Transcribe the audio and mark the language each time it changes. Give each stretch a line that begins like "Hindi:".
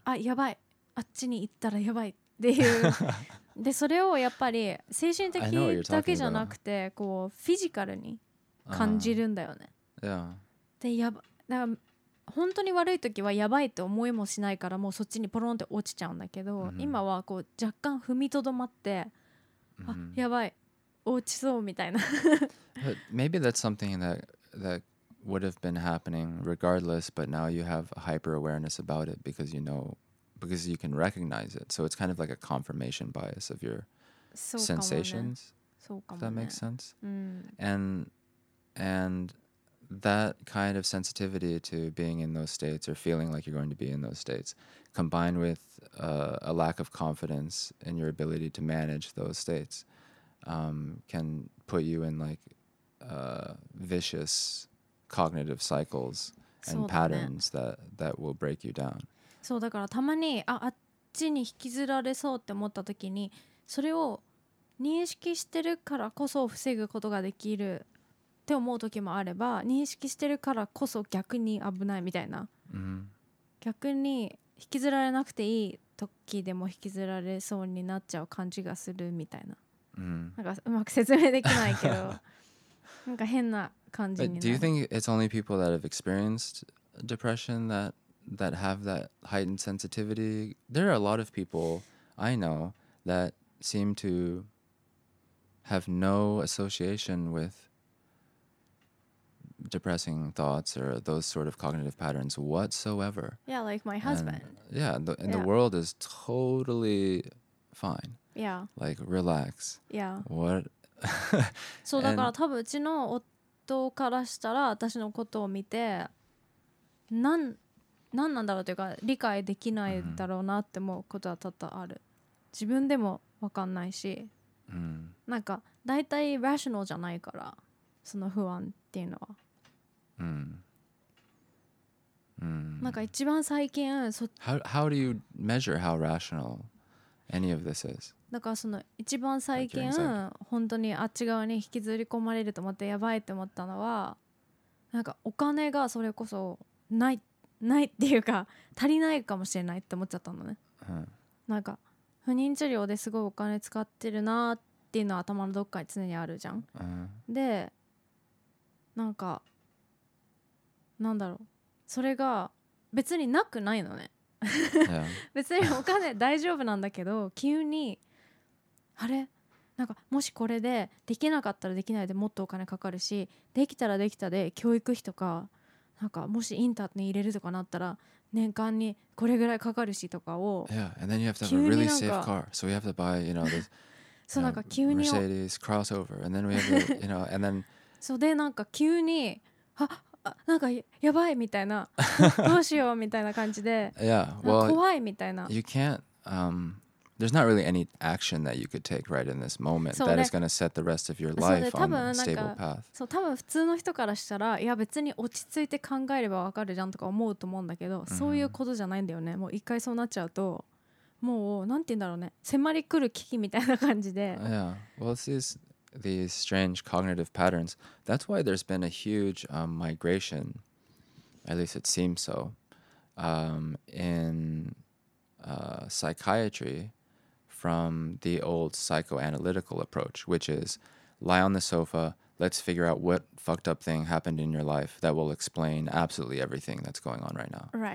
Japanese: あ、やばい、あっちに行ったらやばいっていうで、それをやっぱり精神的だけじゃなくて、こうフィジカルに感じるんだよね、
English: yeah.
Japanese: で、やば、だから本当に悪い時はやばいと思いもしないから、もうそっちにポロンって落ちちゃうんだけど、mm-hmm. 今はこう若干踏みとどまって、mm-hmm. あ、やばい、落ちそうみたいな。
English: But maybe that's something that would have been happening regardless, but now you have hyper awareness about it because you know, because you can recognize it. So it's kind of like a confirmation bias of your sensations. So, if that makes sense. Mm. And that kind of sensitivity to being in those states or feeling like you're going to be in those states, combined with a lack of confidence in your ability to manage those states, can put you in like vicious cognitive cycles and patterns that will break you down.
Japanese: そうだから、たまに あっちに引きずられそうって思った時に、それを認識してるからこそ防ぐことができるって思う時もあれば、認識してるからこそ逆に危ないみたいな、 mm-hmm. 逆に引きずられなくていい時でも引きずられそうになっちゃう感じがするみたいな、 mm-hmm. なんかうまく説明できないけどなんか変な感じになる。
English: But do you think it's only people that have experienced depression that have that heightened sensitivity? There are a lot of people I know that seem to have no association with depressing thoughts or those sort of cognitive patterns whatsoever. Yeah, like my husband. And the world is totally fine. Yeah. Like, relax. Yeah. What?
Japanese: So, だから多分うちの夫からしたら、私のことを見て、何なんだろうというか、理解できないだろうなって思うことは多々ある。自分でも分かんないし、なんかだいたいラショナルじゃないから、その不安っていうのは、なんか一番最近、
English: How do you measure how rational any of this is?
Japanese: だからその一番最近本当にあっち側に引きずり込まれると思ってやばいって思ったのは、なんかお金がそれこそないないっていうか足りないかもしれないって思っちゃったのね、うん、なんか不妊治療ですごいお金使ってるなっていうのは頭のどっかに常にあるじゃん、うん、でなんかなんだろう、それが別になくないのね別にお金大丈夫なんだけど急にあれなんかもしこれでできなかったらできないでもっとお金かかるし、できたらできたで教育費とか、なんかもしインターに入れるとかなったら年間にこれぐらいかかるしとかを、
English: yeah and then you have to have a really safe car so you have to buy you know this
Japanese: そうなんか急に
English: Mercedes crossover and then we have to, you know and then
Japanese: そうでなんか急にあなんかやばいみたいなどうしようみたいな感じで
English: yeah well
Japanese: 怖いみたいな
English: you can't There's not really any action that you could take right in this moment that is going to set the rest of your life on a stable path.
Japanese: そう、多分普通の人からしたら、いや別に落ち着いて考えればわかるじゃんとか思うと思うんだけど、そういうことじゃないんだよね。もう一回そうなっちゃうと、もうなんて言うんだろうね、迫り来る危機みたいな感じで。
English: Yeah. Well, it's these strange cognitive patterns. That's why there's been a huge migration, at least it seems so, in psychiatry from the old psychoanalytical approach, which is lie on the sofa, let's figure out what fucked up thing happened in your life that will explain absolutely everything that's going on right now.